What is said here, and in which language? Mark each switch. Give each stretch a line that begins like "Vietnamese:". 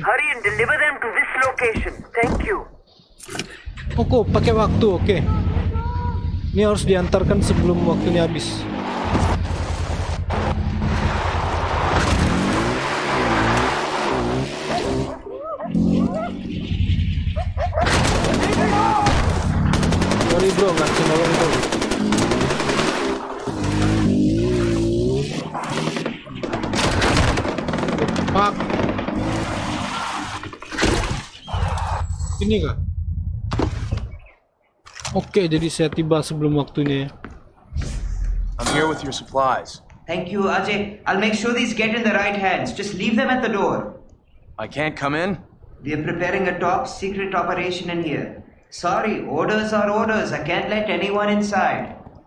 English: Hurry and deliver them to this location. Thank you.
Indonesian: Oke, oh, pakai waktu, oke. Okay. Ini harus diantarkan sebelum waktunya habis. Sorry bro, nggak bisa nolong bro.
English: Fuck.
Indonesian: Ini kah? Oke, jadi saya tiba sebelum waktunya.
English: I'm here with your supplies. Thank you, Ajay. I'll make sure these get in the right hands. Just leave them at the door. I can't come in? We are preparing a top secret operation in here. Sorry, orders are orders. I can't let anyone inside.